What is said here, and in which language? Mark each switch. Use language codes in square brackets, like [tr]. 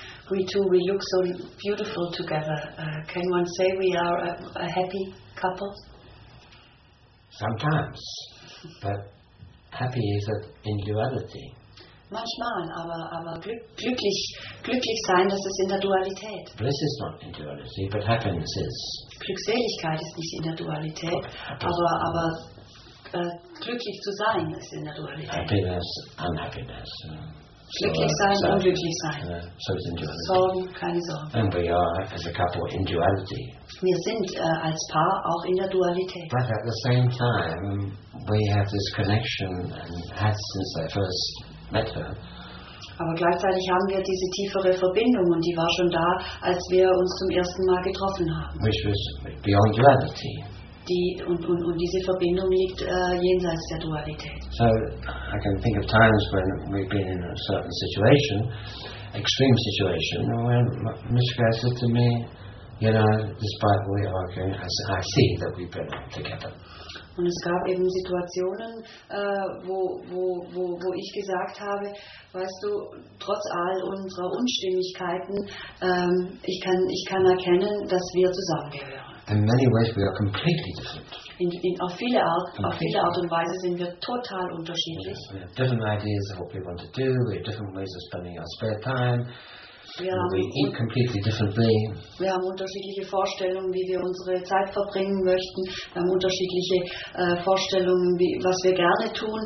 [en] We two, we look so beautiful together. Can one say we are a happy couple? Sometimes, but happy is an individuality. [de] Manchmal, aber glücklich sein, das ist in der Dualität. [en] Bliss is not in duality, but happiness is. [de] Glückseligkeit ist nicht in der Dualität, aber glücklich zu sein ist in der Dualität. [en] Happiness, unhappiness. [de] Glücklich sein, unglücklich sein. [en] So it's in duality. [de] Sorgen, keine Sorgen. [en] And we are as a couple in duality. [de] Wir sind als Paar auch in der Dualität. [en] But at the same time, we have this connection and had since I first met her. [de] Aber gleichzeitig haben wir diese tiefere Verbindung und die war schon da, als wir uns zum ersten Mal getroffen haben. [en] Which was beyond duality. [de] Die, und diese Verbindung liegt jenseits der Dualität. [en] So, I can think of times when we've been in a certain situation, extreme situation, when Mishka said to me, you know, despite we are arguing, I see that we've been together. [de] Und es gab eben Situationen, wo ich gesagt habe, weißt du, trotz all unserer Unstimmigkeiten, ich kann erkennen, dass wir zusammengehören. [en] In many ways we are completely different. [de] Auf viele Art und Weise sind wir total unterschiedlich. [en] Yes, we have different ideas of what we want to do. We have different ways of spending our spare time. We eat completely differently. [de] Wir haben unterschiedliche Vorstellungen, wie wir unsere Zeit verbringen möchten. Wir haben unterschiedliche Vorstellungen, wie, was wir gerne tun.